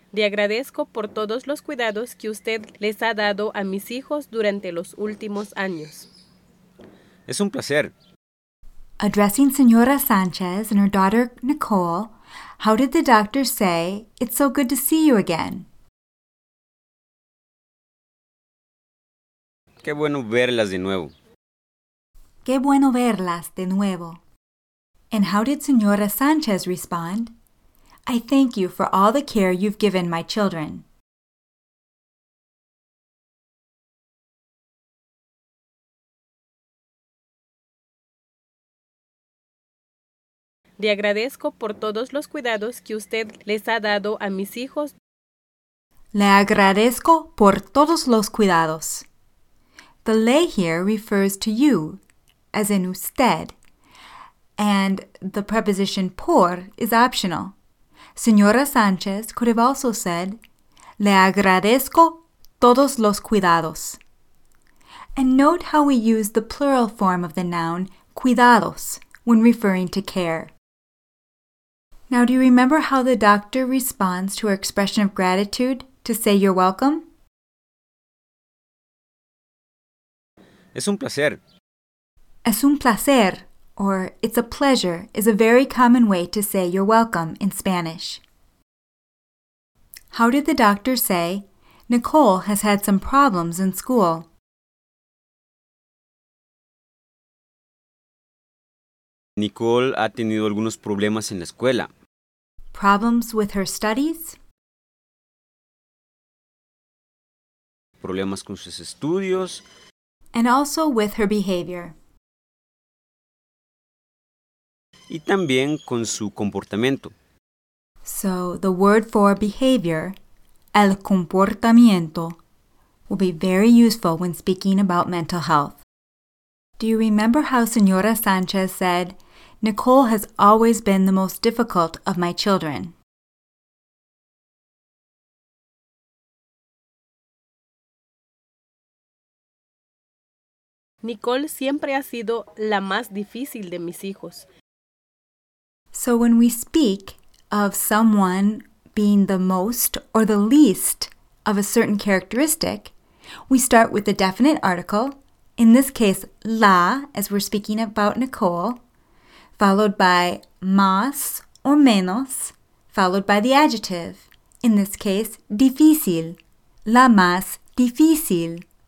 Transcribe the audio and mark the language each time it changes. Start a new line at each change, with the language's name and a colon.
Spanish: Le agradezco por todos los cuidados que usted les ha dado a mis hijos durante los últimos años. Es un placer.
English: Addressing Señora Sánchez and her daughter, Nicole, how did the doctor say, "It's so good to see you again"?
Spanish: Qué bueno verlas de nuevo. Qué bueno verlas de nuevo.
English: And how did Señora Sánchez respond? I thank you for all the care you've given my children.
Spanish: Le agradezco por todos los cuidados que usted les ha dado a mis hijos. Le agradezco por todos los cuidados.
English: The le here refers to you, as in usted. And the preposition por is optional. Señora Sánchez could have also said,
Spanish: Le agradezco todos los cuidados.
English: And note how we use the plural form of the noun cuidados when referring to care. Now, do you remember how the doctor responds to her expression of gratitude to say you're welcome?
Spanish: Es un placer. Es un placer,
English: or it's a pleasure, is a very common way to say you're welcome in Spanish. How did the doctor say, Nicole has had some problems in school?
Spanish: Nicole ha tenido algunos problemas en la escuela.
English: Problems with her studies?
Spanish: Problemas con sus estudios.
English: And also with her behavior.
Spanish: Y también con su comportamiento.
English: So the word for behavior, el comportamiento, will be very useful when speaking about mental health. Do you remember how Señora Sánchez said, Nicole has always been the most difficult of my children.
Spanish: Nicole siempre ha sido la más difícil de mis hijos.
English: So when we speak of someone being the most or the least of a certain characteristic, we start with the definite article, in this case, la, as we're speaking about Nicole, followed by más or menos, followed by the adjective, in this case, difícil,
Spanish: la más difícil.